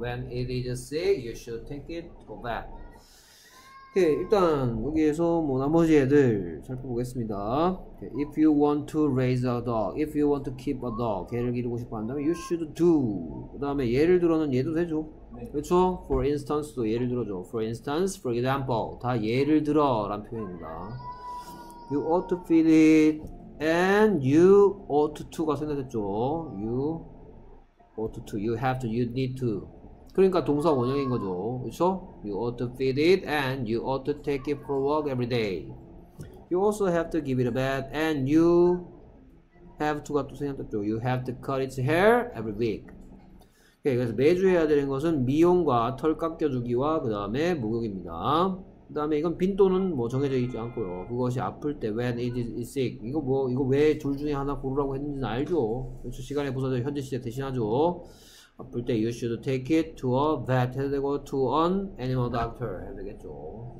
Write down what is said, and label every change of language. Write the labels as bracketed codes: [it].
[en] When it is sick, you should take it to a vet. [ko] 오케이, 일단 여기에서 뭐 나머지 애들 살펴보겠습니다. [en] If you want to raise a dog, if you want to keep a dog, [ko] 개를 기르고 싶어 한다면 [en] you should do. [ko] 그 다음에 예를 들어는 얘도 되죠. 그렇죠? For instance도 예를 들어줘. [en] For instance, for example, [ko] 다 예를 들어라는 표현입니다. [en] You ought to feed it. And you ought to 가 생각했죠. You ought to, you have to, you need to. [ko] 그러니까 동사 원형인 거죠. 그쵸? [en] You ought to feed it and you ought to take it for a walk every day. You also have to give it a bath and you have to 가 또 생각했죠. You have to cut its hair every week. [ko] Okay, 그래서 매주 해야 되는 것은 미용과 털 깎여주기와 그 다음에 목욕입니다. 그 다음에 이건 빈도는 뭐 정해져 있지 않고요. 그것이 아플 때 [en] when it is sick. [ko] 이거 뭐 이거 왜 둘 중에 하나 고르라고 했는지는 알죠. 그렇죠. 시간의 부서 현재 시제 대신하죠. 아플 때 [en] you should take it to a vet 해야 되고 to an animal doctor 해야 되겠죠.